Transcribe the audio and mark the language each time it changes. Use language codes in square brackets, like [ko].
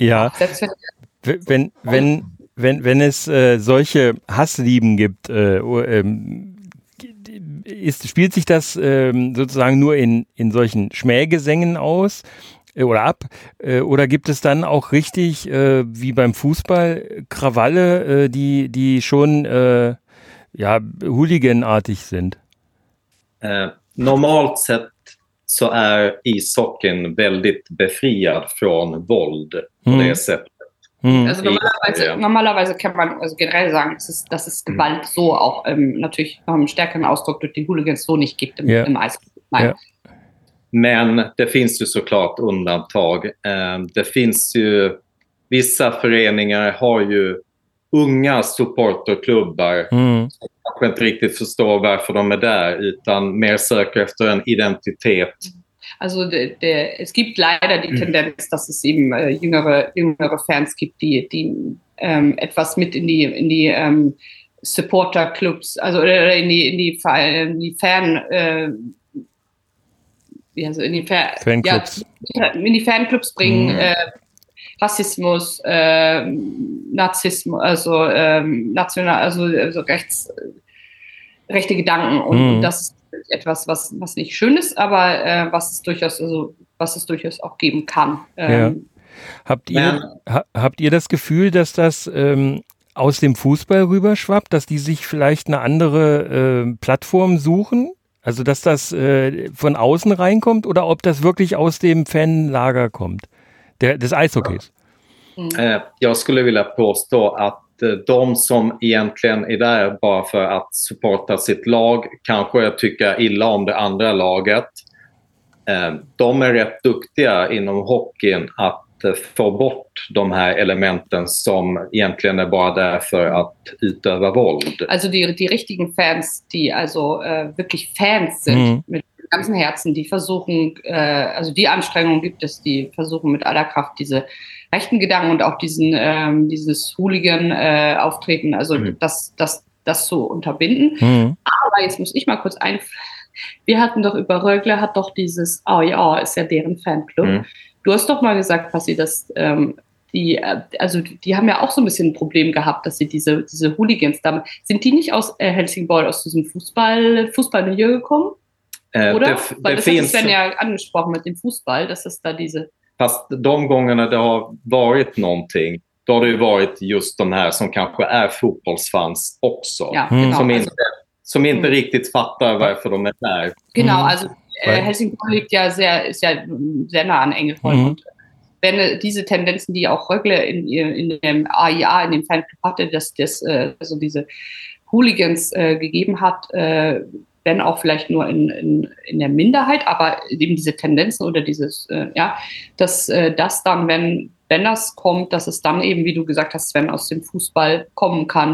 [de] Ja, selbst wenn wenn es solche Hasslieben gibt, spielt sich das sozusagen nur in solchen Schmähgesängen aus oder ab? Oder gibt es dann auch richtig, wie beim Fußball, Krawalle, die schon ja, Hooligan-artig sind? [sv] Normalt sett so är ishockeyn väldigt befriad från våld på det sättet. [de] Also normalerweise kann man also generell sagen, dass es Gewalt so auch natürlich noch einen stärkeren Ausdruck durch die Hooligans so nicht gibt im Eishockey. Yeah. [sv] Men det finns ju såklart undantag. Det finns ju, vissa föreningar har ju unga supporterklubbar som kanske inte riktigt förstår varför de är där, utan mer söker efter en identitet. [de] Also es gibt leider die Tendenz, dass es eben jüngere Fans gibt, die etwas mit in die Supporter-Clubs, also in die Fanclubs bringen, Rassismus, Narzissmus, also national, also rechte Gedanken und das etwas, was nicht schön ist, aber was es durchaus auch geben kann. Habt ihr das Gefühl, dass das aus dem Fußball rüberschwappt, dass die sich vielleicht eine andere Plattform suchen? Also dass das von außen reinkommt oder ob das wirklich aus dem Fanlager kommt, des Eishockeys? [sv] Jag skulle vilja påstå att de som egentligen är där bara för att supporta sitt lag kanske tycker illa om det andra laget. De är rätt duktiga inom hockeyn att få bort de här elementen som egentligen är bara där för att utöva våld. Alltså de riktiga fans, de alltså verkligen fans [de] sind, med ganzen Herzen, die versuchen, also die Anstrengung gibt es, die versuchen mit aller Kraft diese rechten Gedanken und auch diesen dieses Hooligan-Auftreten, also das zu unterbinden. Mhm. Aber jetzt muss ich mal kurz ein. Wir hatten doch über Rögle, hat doch dieses, oh ja, ist ja deren Fanclub. Mhm. Du hast doch mal gesagt, Fassi, dass die haben ja auch so ein bisschen ein Problem gehabt, dass sie diese Hooligans da. Sind die nicht aus Helsingborg, aus diesem Fußball-Milieu gekommen? Oder? Weil das hat Sven ja angesprochen mit dem Fußball, dass es da diese. [sv] Fast de gångerna det har varit någonting, då har det ju varit just de här som kanske är fotbollsfans också. Ja, som inte riktigt fattar varför de är där. [de] Genau, also Helsingborg liegt ja sehr nah an Ängelholm. Mm. Wenn diese Tendenzen, die auch Rögle in dem AIA, in dem Fanclub hatte, dass das also diese Hooligans gegeben hat, wenn auch vielleicht nur in der Minderheit, aber eben diese Tendenzen oder dieses, wenn das kommt, dass es dann eben, wie du gesagt hast, Sven, aus dem Fußball kommen kann.